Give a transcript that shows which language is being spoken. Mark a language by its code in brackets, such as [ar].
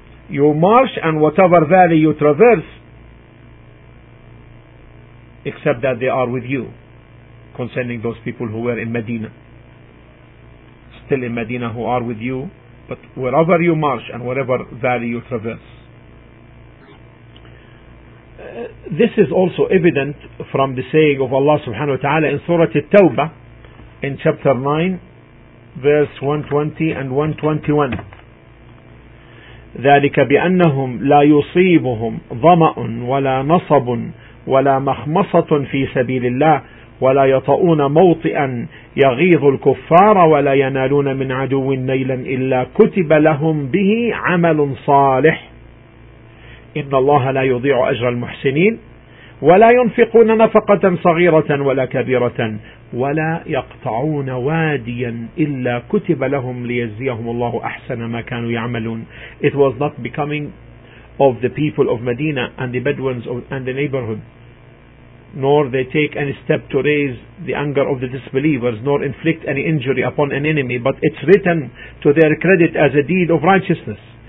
[en] You march, and whatever valley you traverse, except that they are with you, concerning those people who were in Medina, still in Medina, who are with you, but wherever you march and whatever valley you traverse. This is also evident from the saying of Allah subhanahu wa ta'ala in Surah At-Tawbah, in chapter 9, verse 120 and 121. [ar] ذلك بأنهم لا يصيبهم ظمأ ولا نصب ولا مخمصة في سبيل الله ولا يطؤون موطئا يغيظ الكفار ولا ينالون من عدو نيلا إلا كتب لهم به عمل صالح إن الله لا يضيع أجر المحسنين ولا ينفقون نفقة صغيرة ولا كبيرة ولا يقطعون واديا إلا كتب لهم ليزيهم الله أحسن ما كانوا يعملون. [en] It was not becoming of the people of Medina and the Bedouins and the neighborhood, nor they take any step to raise the anger of the disbelievers, nor inflict any injury upon an enemy, but it's written to their credit as a deed of righteousness.